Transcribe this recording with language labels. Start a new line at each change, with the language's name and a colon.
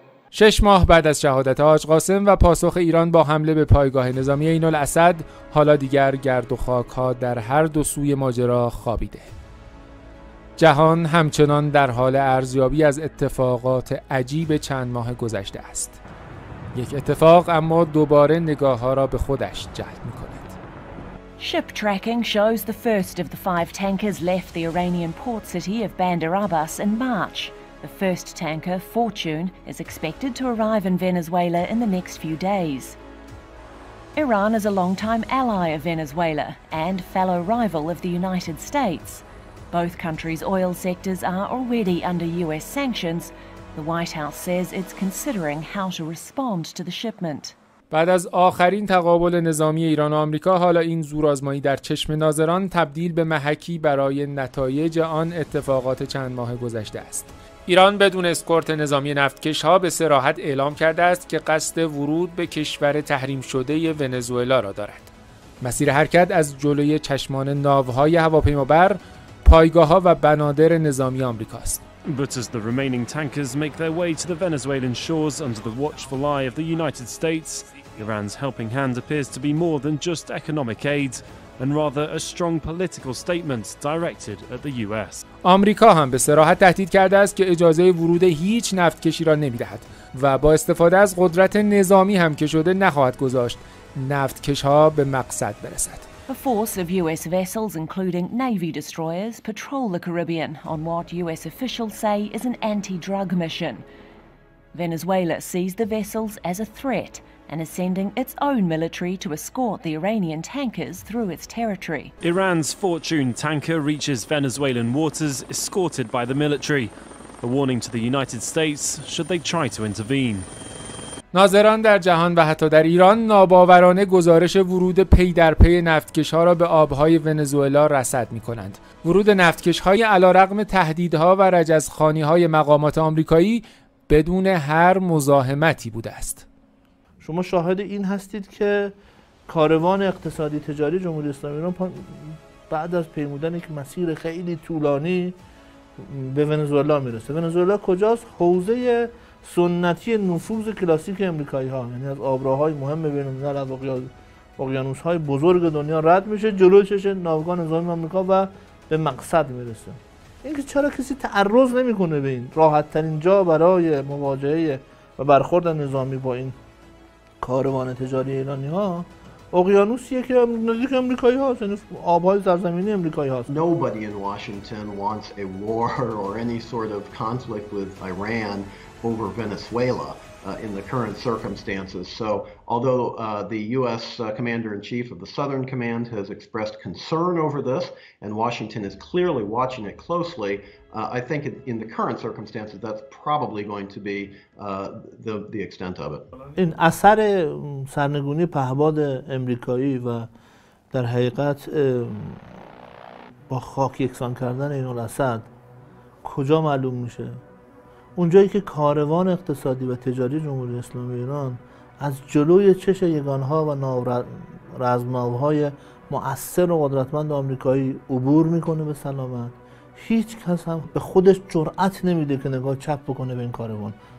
Persian: 6 ماه بعد از شهادت حاج قاسم و پاسخ ایران با حمله به پایگاه نظامی عین الاسد، حالا دیگر گرد و خاک ها در هر دو سوی ماجرا خوابیده. جهان همچنان در حال ارزیابی از اتفاقات عجیب چند ماه گذشته است. یک اتفاق اما دوباره نگاه ها را به خودش جلب می‌کند.
English: Ship tracking shows the first of the 5 tankers left the Iranian port city of Bandar Abbas in March. The first tanker, Fortune, is expected to arrive in Venezuela in the next few days. Iran is a long-time ally of Venezuela and fellow rival of the United States. Both countries' oil sectors are already under U.S. sanctions. The White House says it's considering how to respond to the shipment.
Persian: بعد از آخرین تقابل نظامی ایران و آمریکا، حالا این زورآزمایی در چشم ناظران تبدیل به محکی برای نتایج آن اتفاقات چند ماه گذشته است. ایران بدون اسکورت نظامی نفتکش ها به صراحت اعلام کرده است که قصد ورود به کشور تحریم شده ونزوئلا را دارد. مسیر حرکت از جلوی چشمان ناوهای هواپیمابر، پایگاه‌ها و بنادر نظامی آمریکا است.
English: But as the remaining tankers make their way to the Venezuelan shores under the watchful eye of the United States, Iran's helping hand appears to be more than just economic aid and rather a strong political statement directed at the US.
Persian: آمریکا هم به صراحت تهدید کرده است که اجازه ورود هیچ نفتکشی را نمی‌دهد و با استفاده از قدرت نظامی هم که شده نخواهد گذاشت نفتکش‌ها به مقصد برسد.
English: A force of US vessels, including Navy destroyers, patrol the Caribbean on what US officials say is an anti-drug mission. Venezuela sees the vessels as a threat and is sending its own military to escort the Iranian tankers through its territory. Iran's Fortune tanker reaches Venezuelan waters escorted by the military, a warning to the United States should they try to intervene.
Persian: ناظران در جهان و حتی در ایران ناباورانه گزارش ورود پی در پی نفتکش ها را به آبهای ونزوئلا رصد می کنند. ورود نفتکش های علارغم تهدیدها و رجزخوانی های مقامات آمریکایی بدون هر مزاحمتی بوده است. شما شاهد این هستید که کاروان اقتصادی تجاری جمهوری اسلامی ایران بعد از پیمودن یک مسیر خیلی طولانی به ونزوئلا میرسه. ونزوئلا کجاست؟ حوزه سنتی نفوذ کلاسیک امریکایی ها، یعنی از آبراهای مهم بین‌الملل، از اقیانوس های بزرگ دنیا رد میشه، جلوی چش ناوگان نظامی امریکا و به مقصد میرسه. اینکه چرا کسی تعرض نمیکنه به این راحت ترین جا برای مواجهه و برخورد نظامی با این کاروان تجاری ایرانی ها اقیانوسیه که نزدیک امریکایی هاست، یعنی آبهای سرزمینی امریکایی هاست.
English: Nobody in Washington wants a war or any sort of conflict with Iran over Venezuela in the current circumstances. So although the U.S. Commander-in-Chief of the Southern Command has expressed concern over this, and Washington is clearly watching it closely, I think in the current circumstances, that's probably going to be the extent of it.
Persian: این اثر سرنگونی پهباد امریکایی و در حقیقت با خاک یکسان کردن این الاسد کجا معلوم میشه؟ اونجایی که کاروان اقتصادی و تجاری جمهوری اسلامی ایران از جلوی چش یگانها و رزمناوهای مؤثر و قدرتمند آمریکایی عبور میکنه به سلامت، هیچ کس هم به خودش جرأت نمیده که نگاه چپ بکنه به این کاروان.